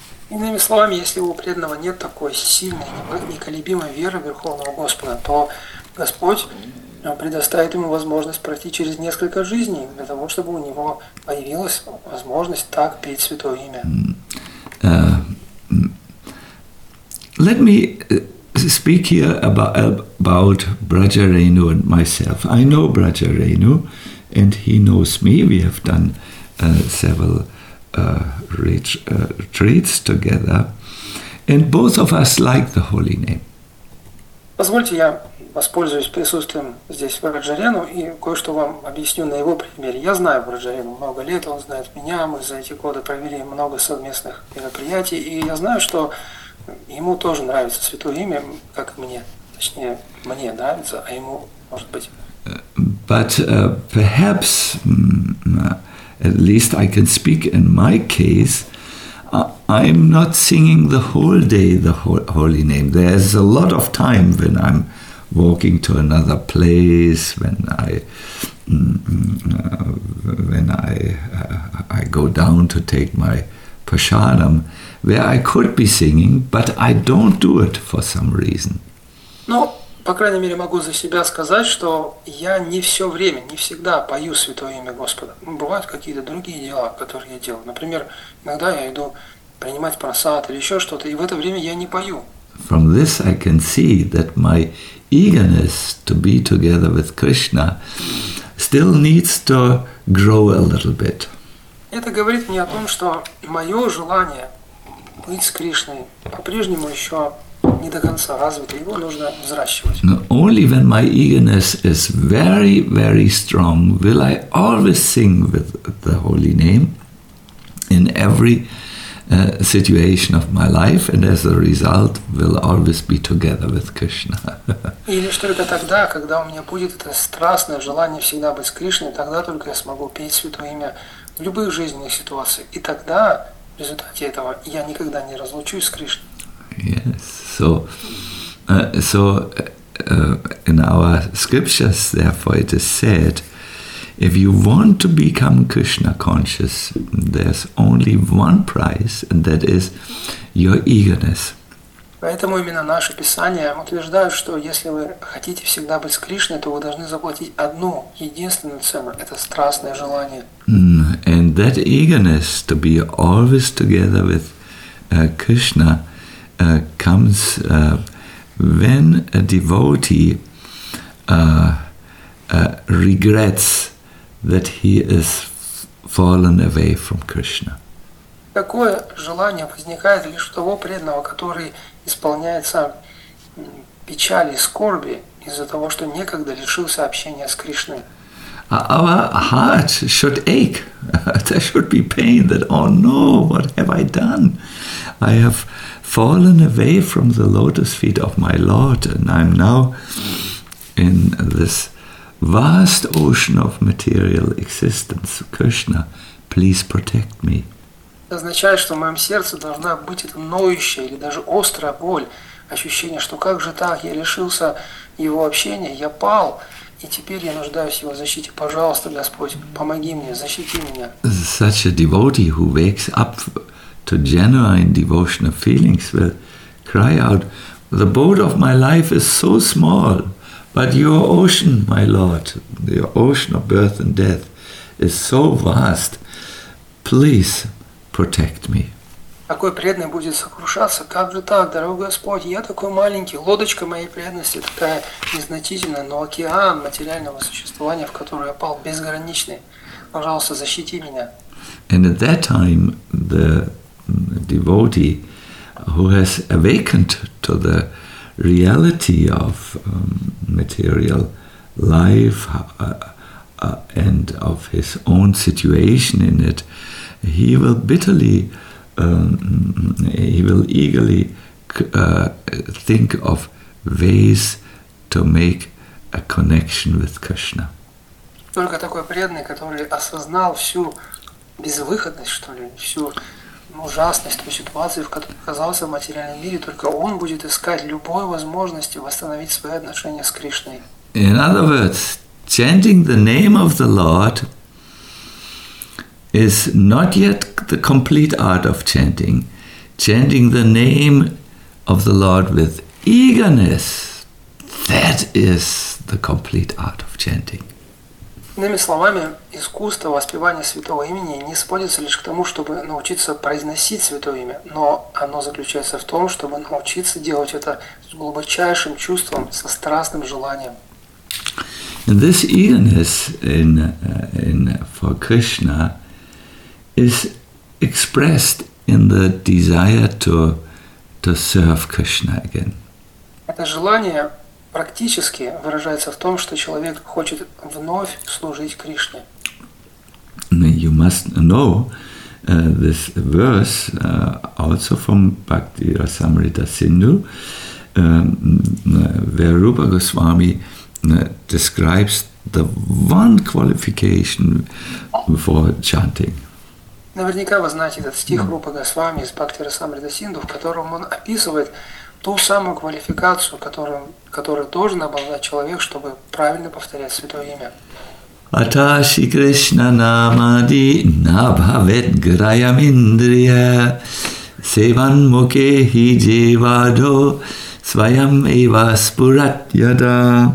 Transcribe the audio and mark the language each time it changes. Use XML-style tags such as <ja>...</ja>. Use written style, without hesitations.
<ru>Иными словами, если у преданного нет такой сильной, неколебимой веры в Верховного Господа, то Господь предоставит ему возможность пройти через несколько жизней для того, чтобы у него появилась возможность так петь святое имя.</ru> <en>Let me speak here about Braja Renu and myself. I know Braja Renu, and he knows me. We have done several retreats together, and both of us like the holy name.</en> <ru>Позвольте, я воспользуюсь присутствием здесь Браджа Рену и кое-что вам объясню на его примере. Я знаю Браджа Рену много лет, он знает меня. Мы за эти годы провели много совместных мероприятий, и я знаю, что ему тоже нравится святое имя, как и мне. Точнее, мне нравится, а ему, может быть.</ru> <en>But perhaps, at least I can speak in my case, I'm not singing the whole day the holy name. There's a lot of time when I'm walking to another place, when I go down to take my prasadam, where I could be singing, but I don't do it for some reason. No.</en> <ru>По крайней мере, могу за себя сказать, что я не все время, не всегда пою святое имя Господа. Бывают какие-то другие дела, которые я делаю. Например, иногда я иду принимать прасад или еще что-то, и в это время я не пою.</ru> <en>From this I can see that my eagerness to be together with Krishna still needs to grow a little bit.</en> <ru>Это говорит мне о том, что мое желание быть с Кришной по-прежнему еще не до конца развито, его нужно взращивать.</ru> <en>Only when my eagerness is very, very strong will I always sing with the holy name in every situation of my life, and as a result will always be together with Krishna.</en> <ru>И лишь только тогда, когда у меня будет это страстное желание всегда быть с Кришной, тогда только я смогу петь святое имя в любых жизненных ситуациях. И тогда, в результате этого, я никогда не разлучусь с Кришной.</ru> <en>Yes. So, in our scriptures, therefore, it is said, if you want to become Krishna conscious, there's only one price, and that is your eagerness.</en> <ru>Поэтому именно наши писания утверждают, что если вы хотите всегда быть с Кришной, то вы должны заплатить одну, единственную цену – это страстное желание.</ru> <en>And that eagerness to be always together with Krishna comes when a devotee regrets that he is fallen away from Krishna.</en> <ru>Такое желание возникает лишь у того преданного, который исполняется печали и скорби из-за того, что некогда лишился общения с Кришной.</ru> <en>Our heart should ache. There should be pain that, oh no, what have I done? I have fallen away from the lotus feet of my Lord and I'm now in this vast ocean of material existence. Krishna, please protect me.</en> <ru>Это означает, что в моем сердце должна быть эта ноющая или даже острая боль, ощущение, что как же так, я лишился его общения, я пал, и теперь я нуждаюсь в его защите. Пожалуйста, Господь, помоги мне, защити меня.</ru> <en>Such a devotee who wakes up to genuine devotional feelings will cry out, the boat of my life is so small, but your ocean, my Lord, your ocean of birth and death is so vast. Please, protect me.</en> <ru>Такой преданный будет сокрушаться. Как же так, дорогой Господь, я такой маленький, лодочка моей преданности такая незначительная, но океан материального существования, в который я пал, безграничный. Пожалуйста, защити меня.</ru> <en>And at that time, the devotee who has awakened to the reality of material life and of his own situation in it, he will bitterly, he will eagerly think of ways to make a connection with Krishna.</en> <ru>Только такой преданный, который осознал всю безвыходность, что ли, всю ужасность той ситуации, в которой оказался в материальном мире, только он будет искать любой возможности восстановить свои отношения с Кришной.</ru> <en>In other words, chanting the name of the Lord is not yet the complete art of chanting. Chanting the name of the Lord with eagerness, that is the complete art of chanting.</en> <ru>Иными словами, искусство воспевания святого имени не сводится лишь к тому, чтобы научиться произносить святое имя, но оно заключается в том, чтобы научиться делать это с глубочайшим чувством, со страстным желанием.</ru> <en>And this eagerness in for Krishna is expressed in the desire to serve Krishna again.</en> <ru>Это желание практически выражается в том, что человек хочет вновь служить Кришне.</ru> <en>You must know this verse also from Bhakti Rasamrita Sindhu, where Rupa Goswami describes the one qualification for chanting.</en> <ru>Наверняка вы знаете этот стих Рупа Госвами из Бхакти Расамрита Синду, в котором он описывает ту самую квалификацию, которую должен обладать человек, чтобы правильно повторять святое имя.</ru> <sa>Аташи Кришна намади набхавет граям индрия севан мукехи девадо своям ива спуратьяда.</sa>